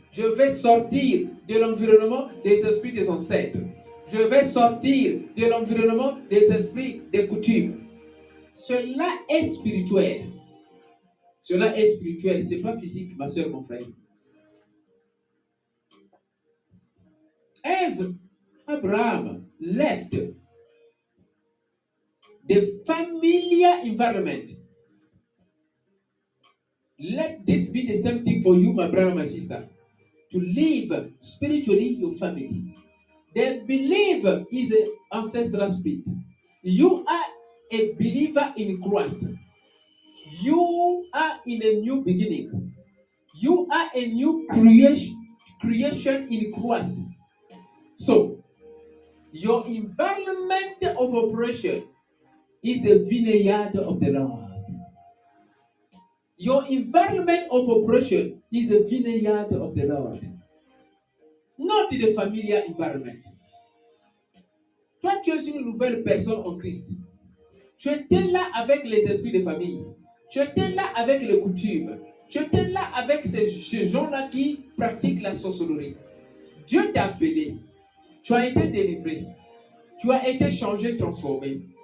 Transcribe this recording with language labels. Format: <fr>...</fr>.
<fr>Je veux sortir de l'environnement des esprits des ancêtres. Je vais sortir de l'environnement des esprits des coutumes. Cela est spirituel. Cela est spirituel. Ce n'est pas physique, ma soeur, mon frère.</fr> <en>As Abraham left the familiar environment, let this be the same thing for you, my brother, my sister, to leave spiritually your family. The believer is an ancestral spirit. You are a believer in Christ. You are in a new beginning. You are a new creation in Christ. So, your environment of operation is the vineyard of the Lord. Your environment of operation is the vineyard of the Lord. Not the familiar environment.</en> <fr>Toi, tu es une nouvelle personne en Christ. Tu étais là avec les esprits de famille. Tu étais là avec les coutumes. Tu étais là avec ces gens-là qui pratiquent la sorcellerie. Dieu t'a appelé. Tu as été délivré. Tu as été changé, transformé.</fr>